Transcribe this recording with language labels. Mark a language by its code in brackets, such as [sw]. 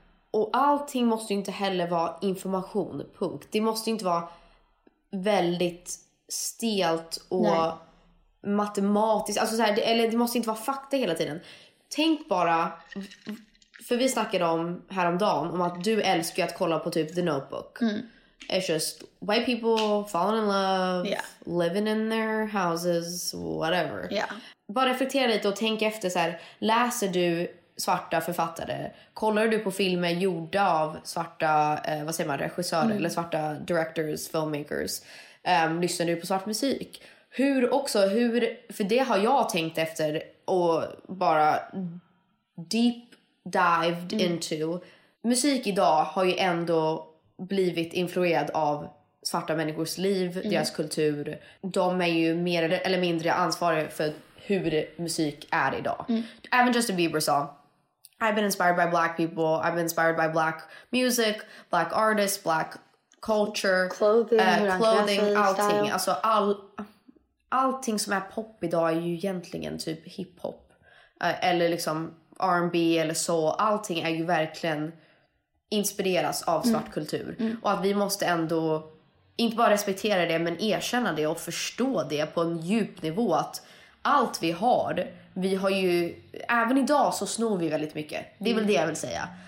[sv] Och allting måste ju inte heller vara information, punkt. Det måste inte vara väldigt stelt och matematiskt. Alltså så här, eller det måste inte vara fakta hela tiden. Tänk bara... För vi snackade om häromdagen om att du älskar att kolla på typ The Notebook. Mm. [en] It's just white people falling in love, living in their houses, whatever. Yeah. [sv] Bara reflektera lite och tänk efter så här, läser du svarta författare? Kollar du på filmer gjorda av svarta, vad säger man, regissörer eller svarta [en] directors, filmmakers? [sv] Lyssnar du på svart musik? Hur också, hur, för det har jag tänkt efter och bara [en] deep dived into. [sv] Musik idag har ju ändå blivit influerad av svarta människors liv, deras kultur. De är ju mer eller mindre ansvariga för hur musik är idag. Även Justin Bieber sa, [en] I've been inspired by black people, I've been inspired by black music, black artists, black culture, clothing, [sv] allting. Alltså allting som är pop idag är ju egentligen typ hiphop. Eller liksom R&B eller så, allting är ju verkligen inspireras av svart kultur. Och att vi måste ändå inte bara respektera det, men erkänna det och förstå det på en djup nivå, att allt vi har ju, även idag så snor vi väldigt mycket. Det är väl det jag vill säga.